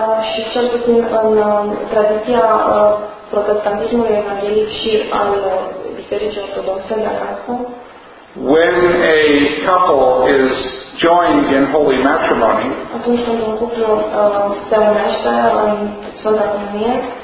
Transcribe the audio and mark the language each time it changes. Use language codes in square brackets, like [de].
[ro] și cel puțin în tradiția protestantismului evanghelic și al bisericii ortodoxe de acasă, [en] when a couple is joined in holy matrimony, [ro] atunci când un cuplu se unește în Sfânta Comunie,